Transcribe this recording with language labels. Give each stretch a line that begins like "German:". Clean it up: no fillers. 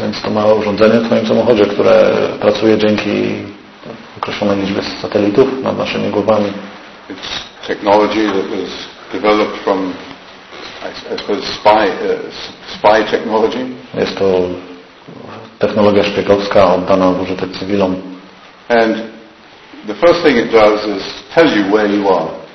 Polish: Więc to małe urządzenie w twoim samochodzie, które pracuje dzięki określonej liczbie satelitów nad naszymi głowami.
English: It's technology that was developed from, I suppose, spy technology.
Polish: Jest to technologia szpiegowska oddana w użytek cywilom.
English: And the first thing it does is tell you where you are.